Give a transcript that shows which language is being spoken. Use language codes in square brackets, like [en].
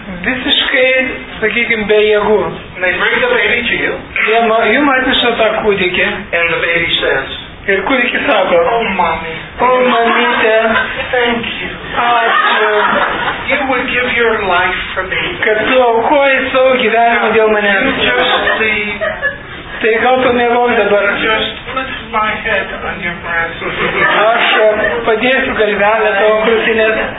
[lt] Visiškai, sakykim, be jėgų. [en] And they bring the baby to you. [lt] Jum atneša tą kūdikį. [en] And the baby says. [lt] Ir kūdikį sako. [en] Oh, mommy. [lt] Oh, mamyte. [en] Thank you. [lt] Ačiū. [en] You would give your life for me. [lt] Kad tu aukoji savo gyvenimą dėl manęs. [en] You just see. [lt] Tai gal pamėgom dabar. [en] Just put my head on your breast. [lt] Aš padėsiu galvelę tavo krūtinės.